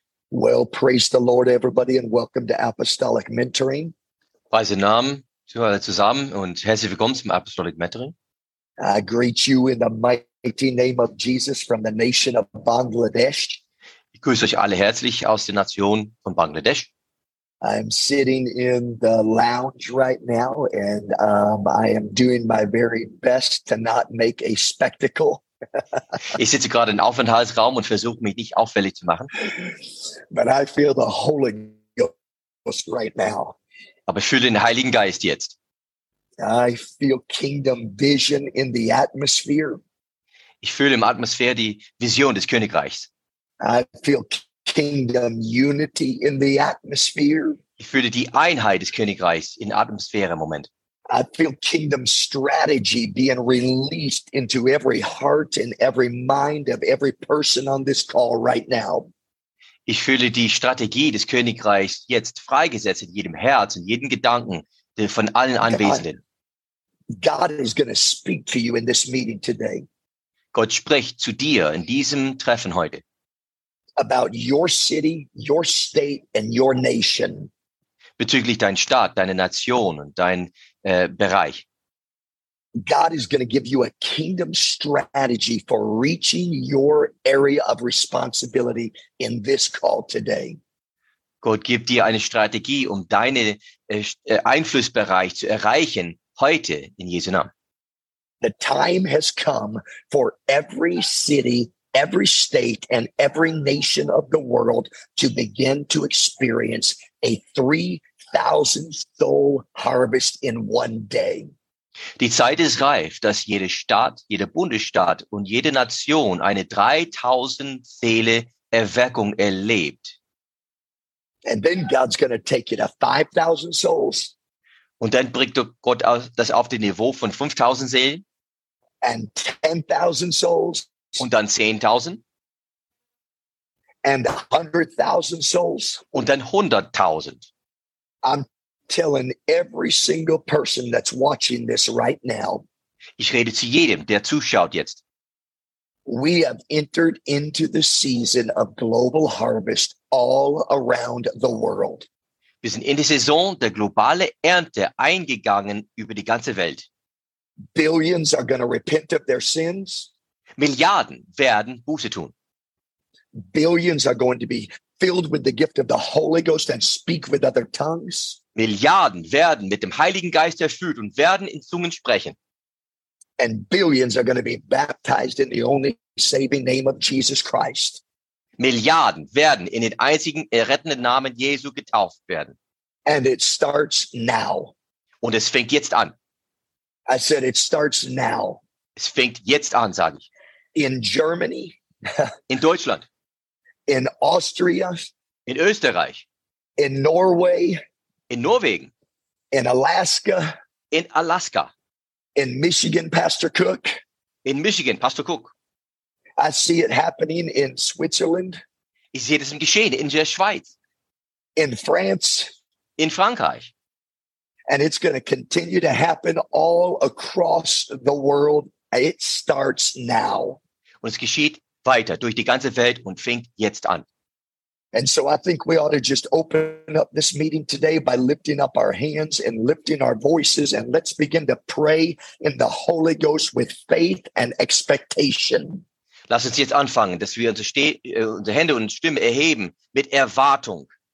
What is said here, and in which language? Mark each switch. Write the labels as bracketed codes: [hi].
[en] Well, praise the Lord, everybody, and welcome to Apostolic Mentoring. [de] Weise Namen, Zuhörer zusammen und herzlich willkommen zum Apostolic Mentoring. [en] I greet you in the mighty name of Jesus from the nation of Bangladesh. [de] Ich grüße euch alle herzlich aus der Nation von Bangladesch. [en] I'm sitting in the lounge right now and I am doing my very best to not make a spectacle. [de] Ich sitze gerade im Aufenthaltsraum und versuche mich nicht auffällig zu machen. [en] But I feel the Holy Ghost right now. [de] Aber ich fühle den Heiligen Geist jetzt. [en] I feel kingdom vision in the atmosphere. [de] Ich fühle im Atmosphäre die Vision des Königreichs. [en] I feel kingdom unity in the atmosphere. [de] Ich fühle die Einheit des Königreichs in Atmosphäre im Moment. [en] I feel kingdom strategy being released into every heart and every mind of every person on this call right now. [de] Ich fühle die Strategie des Königreichs jetzt freigesetzt in jedem Herz und jedem Gedanken von allen Anwesenden. [en] God is going to speak to you in this meeting today. [de] Gott spricht zu dir in diesem Treffen heute. [en] About your city, your state and your nation. [de] Bezüglich dein Staat, deine Nation und dein Bereich. [en] God is going to give you a kingdom strategy for reaching your area of responsibility in this call today. [de] Gott gibt dir eine Strategie, um deinen Einflussbereich zu erreichen heute in Jesu Namen. [en] The time has come for every city, every state and every nation of the world to begin to experience a 3,000 soul harvest in one day. [de] Die Zeit ist reif, dass jede Stadt, jeder Bundesstaat und jede Nation eine 3000 Seele Erweckung erlebt. [en] And then God's going to take you to 5,000 souls. [de] Und dann bringt Gott das auf den Niveau von 5,000 Seelen. [en] And 10,000 souls. [de] Und dann 10,000. [en] And 100,000 souls. [de] Und dann 100,000. [en] Telling every single person that's watching this right now. [de] Ich rede zu jedem, der zuschaut jetzt. [en] We have entered into the season of global harvest all around the world. [de] Wir sind in die Saison der globale Ernte eingegangen über die ganze Welt. [en] Billions are going to repent of their sins. [de] Milliarden werden Buße tun. [en] Billions are going to be filled with the gift of the Holy Ghost and speak with other tongues. [de] Milliarden werden mit dem Heiligen Geist erfüllt und werden in Zungen sprechen. [en] And billions are going to be baptized in the only saving name of Jesus Christ. [de] Milliarden werden in den einzigen errettenden Namen Jesu getauft werden. [en] And it starts now. [de] Und es fängt jetzt an. [en] I said it starts now. [de] Es fängt jetzt an, sage ich. [en] In Germany. [de] In Deutschland. [en] In Austria. [de] In Österreich. [en] In Norway. [de] In Norwegen. [en] In Alaska. [de] In Alaska. [en] In Michigan, Pastor Cook. [de] In Michigan, Pastor Cook. [en] I see it happening in Switzerland. [de] Ich sehe das im Geschehen in der Schweiz. [en] In France. [de] In Frankreich. [en] And it's going to continue to happen all across the world. It starts now. [de] Und es geschieht weiter durch die ganze Welt und fängt jetzt an. [en] And so I think we ought to just open up this meeting today by lifting up our hands and lifting our voices. And let's begin to pray in the Holy Ghost with faith and expectation. [de] Lass uns jetzt anfangen, dass wir unsere Hände und Stimme erheben mit Erwartung.